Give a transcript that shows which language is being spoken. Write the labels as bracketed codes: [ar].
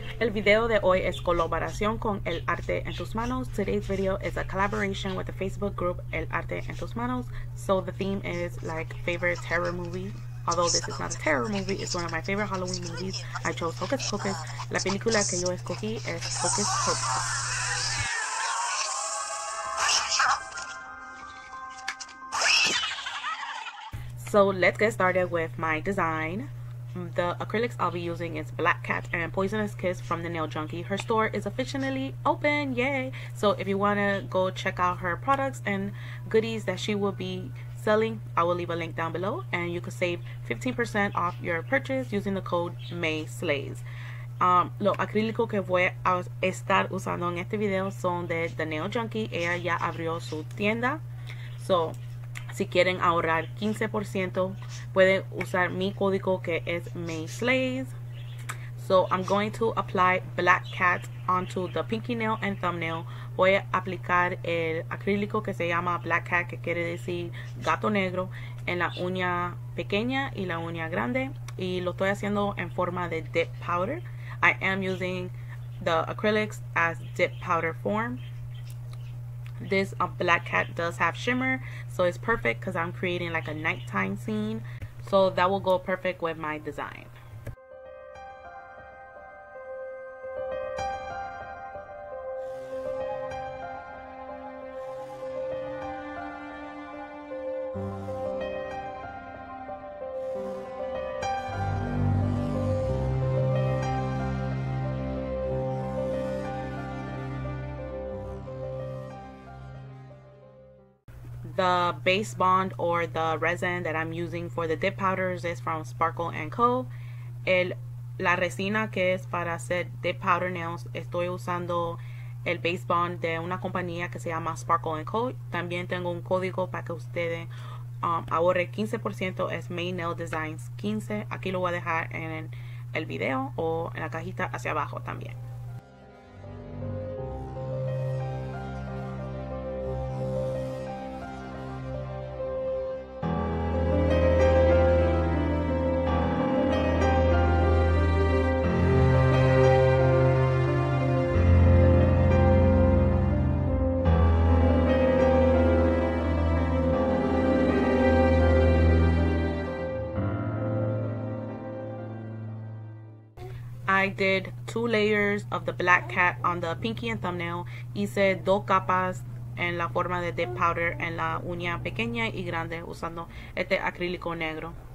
[es] video de hoy es colaboración con El Arte en Tus Manos. [en] Today's video is a collaboration with the Facebook group El Arte en Tus Manos. So the theme is like favorite terror movie. Although this is not a terror movie, it's one of my favorite Halloween movies. I chose Hocus Pocus. [es] La película que yo escogí es Hocus Pocus. [en] So let's get started with my design. The acrylics I'll be using is Black Cat and Poisonous Kiss from The Nail Junkie. Her store is officially open, yay! So if you want to go check out her products and goodies that she will be selling, I will leave a link down below, and you can save 15% off your purchase using the code MAYSLAYS. [es] Los acrílicos que voy a estar usando en este video son de The Nail Junkie. Ella ya abrió su tienda. So si quieren ahorrar 15%, pueden usar mi código que es MAYSLAYS. [en] So I'm going to apply Black Cat onto the pinky nail and thumbnail. [es] Voy a aplicar el acrílico que se llama Black Cat, que quiere decir gato negro, en la uña pequeña y la uña grande. Y lo estoy haciendo en forma de dip powder. [en] I am using the acrylics as dip powder form. This Black Cat does have shimmer, so it's perfect because I'm creating like a nighttime scene. So that will go perfect with my design. The base bond or the resin that I'm using for the dip powders is from Sparkle & Co. [es] La resina que es para hacer dip powder nails, estoy usando el base bond de una compañía que se llama Sparkle & Co. También tengo un código para que ustedes ahorren 15%, es MAENAILDESIGNS15. Aquí lo voy a dejar en el video o en la cajita hacia abajo también. [en] I did two layers of the Black Cat on the pinky and thumbnail. [es] Hice dos capas en la forma de dip powder en la uña pequeña y grande usando este acrílico negro.